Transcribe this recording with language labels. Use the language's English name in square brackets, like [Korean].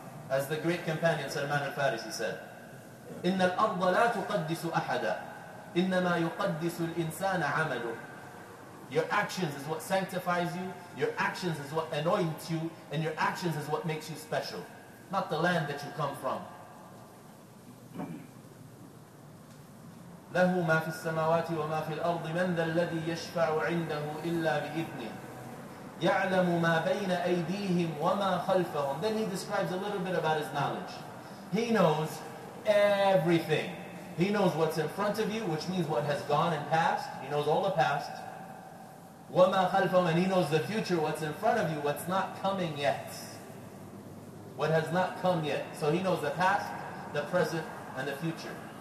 [English] As the great companion Salman al-Farisi said, [Arabic] إِنَّ الْأَرْضَ لَا تُقَدِّسُ أَحَدًا إِنَّمَا يُقَدِّسُ الْإِنسَانَ عَمَلُهُ [English] Your actions is what sanctifies you, your actions is what anoints you, and your actions is what makes you special. Not the land that you come from. [Arabic] لَهُ مَا فِي السَّمَاوَاتِ وَمَا فِي الْأَرْضِ مَنْ ذَا الَّذِي يَشْفَعُ عِنْدَهُ إِلَّا بِإِذْنِهِ يَعْلَمُ مَا بَيْنَ أَيْدِيهِمْ وَمَا خَلْفَهُمْ [English] Then he describes a little bit about his knowledge. He knows everything. He knows what's in front of you, which means what has gone and passed. He knows all the past. [Arabic] وَمَا خَلْفَهُمْ [English] And he knows the future, what's in front of you, what's not coming yet. What has not come yet. So he knows the past, the present, and the future.